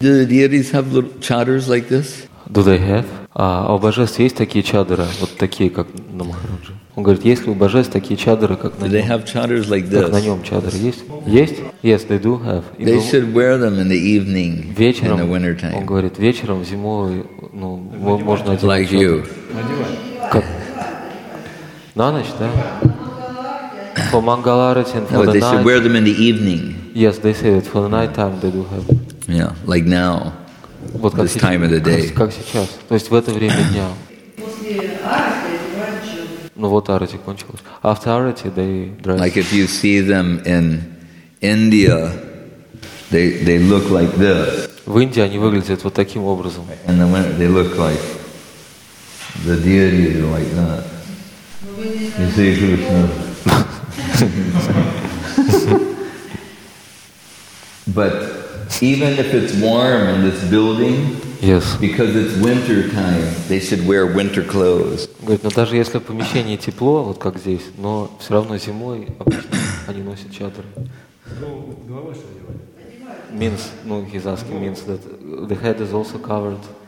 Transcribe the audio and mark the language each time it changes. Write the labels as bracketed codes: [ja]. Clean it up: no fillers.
[en] Do the deities have little chadars like this? Do they have? [ru] А у божеств есть такие чадры, вот такие, как на Махараджи? Он говорит, есть ли у божеств такие чадры, как на нем? [en] Do they have chadars like this? [ru] Как на нем чадры есть? Есть? [en] Yes, they do have. [ru] И [en] they should wear them in the evening, [ru] вечером, [en] in the winter time. [ru] Он говорит, вечером, зимой, ну, можно одеть [en] like чадры. You. [ru] Как? На ночь, да? [en] For Mangalarati and for but the night. But they should wear them in the evening. Yes, they say that for the night time they do have. Yeah, like now, [ru] вот [en] this time of the day. [ru] Как сейчас, то есть в это время дня. Ну вот арати кончилось. [en] After arati they dress. Like if you see them in India, they look like this. [ru] В Индии они выглядят вот таким образом. [en] And then when they look like the deity is like that. You see Krishna. But even if it's warm in this building, yes. Because it's winter time, they should wear winter clothes. [ru] Говорит, но даже если помещение тепло, вот как здесь, но все равно зимой они носят чадры. [en] Means, [ru] ну, [en] he's asking means that the head is also covered.